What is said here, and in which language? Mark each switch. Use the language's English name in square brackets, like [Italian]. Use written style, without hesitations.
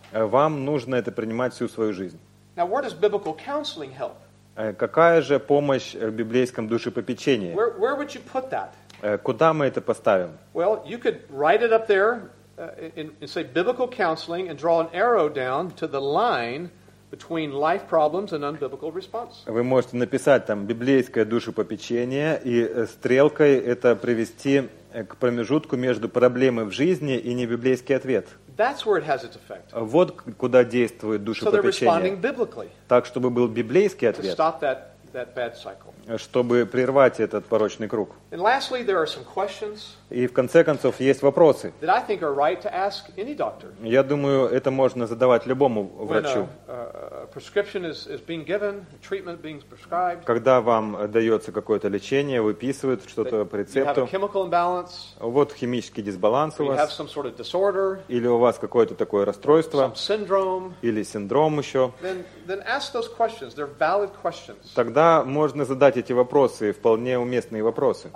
[Russian] Вам нужно это принимать всю свою жизнь. [English] Now, where does biblical counseling help? [Russian] Какая же помощь в библейском душепопечении? [English] Where would you put that? [Russian] Куда мы это поставим? [English] Well, you could write it up there and say biblical counseling and draw an arrow down to the line between life problems and unbiblical response. [Russian] Вы можете написать там библейское душепопечение и стрелкой это привести к промежутку между проблемой в жизни и небиблейский ответ. [English] That's where it has its effect. [Russian] Вот куда действует душепопечение. [English] So they're responding biblically. [Russian] Так, чтобы был библейский ответ. [English] To stop that that bad cycle. [Russian] Чтобы прервать этот порочный круг. [English] And lastly, there are some questions. [Russian] И в конце концов есть вопросы. [English] That I think are right to ask any doctor. [Russian] Я думаю, это можно задавать любому врачу. [English] When a prescription is being given, treatment being prescribed. [Russian] Когда вам дается какое-то лечение, выписывают что-то по рецепту. [English] You have a chemical imbalance. [Russian] Вот химический дисбаланс у вас. [English] You have some sort of disorder. [Russian] Или у вас какое-то такое расстройство. [English] Some syndrome. [Russian] Или синдром еще. [English] Then ask those questions. They're valid questions. [Russian] Тогда можно задать эти вопросы, вполне уместные вопросы.